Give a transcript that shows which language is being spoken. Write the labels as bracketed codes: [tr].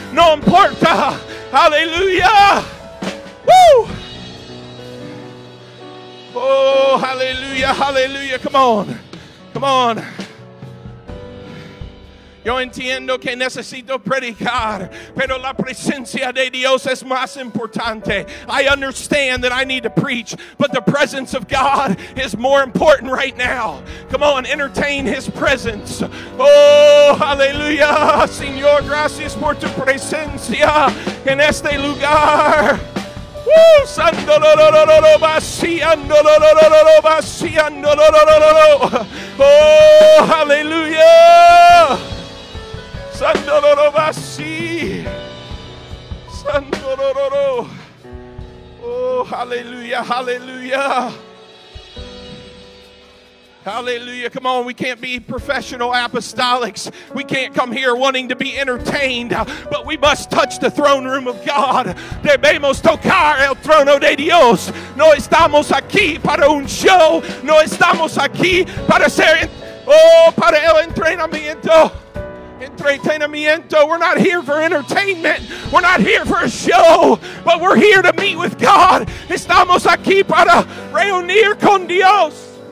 [es] No importa. Hallelujah. Woo! [en] Oh, hallelujah, hallelujah. Come on, come on. [es] Yo entiendo que necesito predicar, pero la presencia de Dios es más importante. [en] I understand that I need to preach, but the presence of God is more important right now. Come on, entertain his presence. Oh, hallelujah. [es] Señor, gracias por tu presencia en este lugar. Woo! Santo lo lo lo lo lo vaciando lo lo lo lo lo vaciando lo lo lo lo lo. Oh, hallelujah! Santo lo lo vaci. Santo lo lo lo. Oh, hallelujah! Hallelujah! [en] Hallelujah. Come on, we can't be professional apostolics. We can't come here wanting to be entertained, but we must touch the throne room of God. [es] Debemos tocar el trono de Dios. No estamos aquí para un show. No estamos aquí para ser, oh, para el entrenamiento. Entretenimiento. [en] We're not here for entertainment. We're not here for a show, but we're here to meet with God. [es] Estamos aquí para reunir con Dios.